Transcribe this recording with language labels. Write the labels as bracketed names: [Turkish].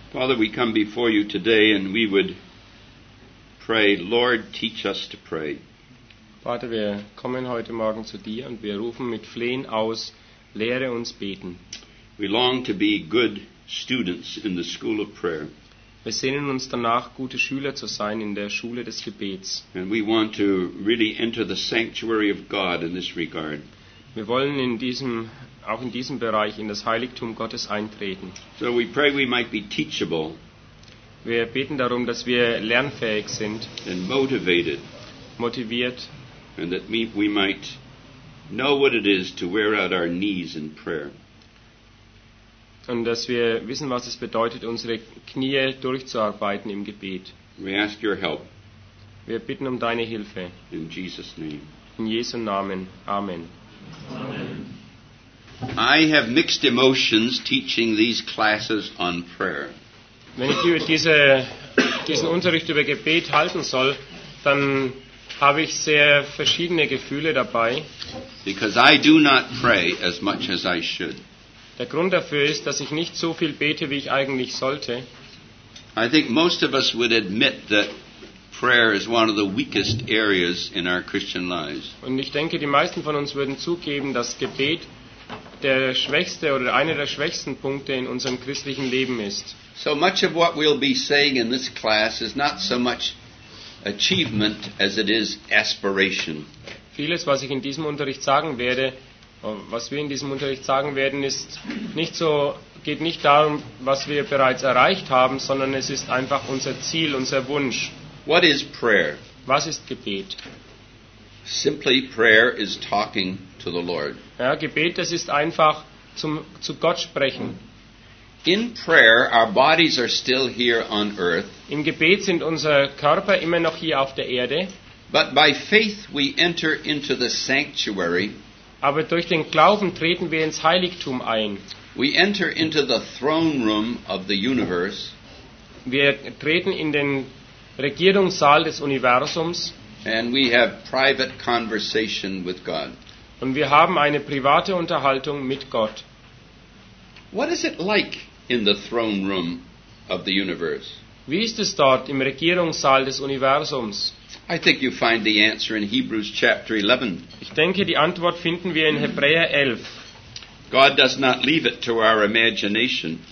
[English] Father, we come before you today and we would pray, Lord, teach us to pray. [German] Vater, wir kommen heute Morgen zu dir und wir rufen mit Flehen aus, lehre uns beten. [English] We long to be good students in the school of prayer. [German] Wir sehnen uns danach, gute Schüler zu sein in der Schule des Gebets. [English] And we want to really enter the sanctuary of God in this regard. [German] Wir wollen in diesem auch in diesem Bereich in das Heiligtum Gottes eintreten. [English] So we pray we might be teachable. [German] Wir beten darum, dass wir lernfähig sind. [English] And motivated. [German] Motiviert. [English] And that we might know what it is to wear out our knees in prayer. [German] Und dass wir wissen, was es bedeutet, unsere Knie durchzuarbeiten im Gebet. [English] We ask your help. [German] Wir bitten um deine Hilfe. [English] In Jesus' name. [German] In Jesu Namen. Amen. Amen. [English] I have mixed emotions teaching these classes on prayer. [German] Wenn ich diesen Unterricht über Gebet halten soll, dann habe ich sehr verschiedene Gefühle dabei. [English] Because I do not pray as much as I should. [German] Der Grund dafür ist, dass ich nicht so viel bete, wie ich eigentlich sollte. [English] I think most of us would admit that prayer is one of the weakest areas in our Christian lives. [German] Und ich denke, die meisten von uns würden zugeben, dass Gebet der schwächste oder einer der schwächsten Punkte in unserem christlichen Leben ist. [English] So much of what we'll be saying in this class is not so much achievement as it is aspiration. [German] Vieles, was ich in diesem Unterricht sagen werde, was wir in diesem Unterricht sagen werden, ist nicht so, geht nicht darum, was wir bereits erreicht haben, sondern es ist einfach unser Ziel, unser Wunsch. [English] What is prayer? [German] Was ist Gebet? [English] Simply prayer is talking to the Lord. [German] Ja, Gebet, das ist einfach zu Gott sprechen. [English] In prayer our bodies are still here on earth. [German] Im Gebet sind unser Körper immer noch hier auf der Erde. [English] But by faith we enter into the sanctuary. [German] Aber durch den Glauben treten wir ins Heiligtum ein. [English] We enter into the throne room of the universe. [German] Wir treten in den Regierungssaal des Universums. [English] And we have private conversation with God. [German] Und wir haben eine private Unterhaltung mit Gott. [English] What is it like in the throne room of the universe? [German] Wie ist es dort im Regierungssaal des Universums? [English] I think you find the answer in Hebrews chapter 11. [German] Ich denke, die Antwort finden wir in Hebräer 11. [English] God does not leave it to our imagination.